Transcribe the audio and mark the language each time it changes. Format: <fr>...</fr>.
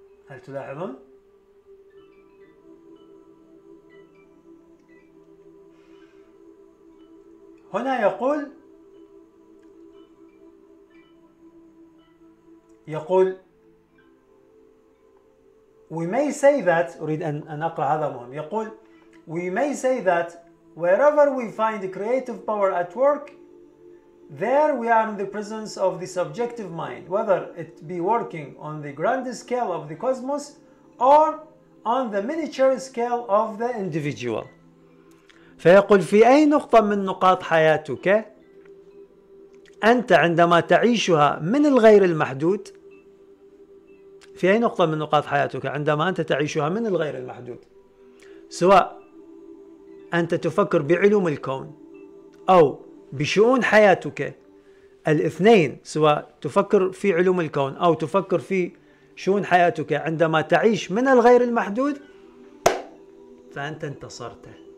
<ar>هل تلاحظون؟ هنا يقول،</ar> <en>we may say that،</en> <ar>أريد أن أقرأ هذا مهم. يقول</ar> <en>we may say that wherever we find creative power at work there we are in the presence of the subjective mind, whether it be working on the grand scale of the cosmos or on the miniature scale of the individual.</en> <ar>فيقول في أي نقطة من نقاط حياتك أنت عندما تعيشها من الغير المحدود، في أي نقطة من نقاط حياتك عندما أنت تعيشها من الغير المحدود، سواء أنت تفكر بعلوم الكون أو بشؤون حياتك، الاثنين، سواء تفكر في علوم الكون أو تفكر في شؤون حياتك، عندما تعيش من الغير المحدود فأنت انتصرت.</ar>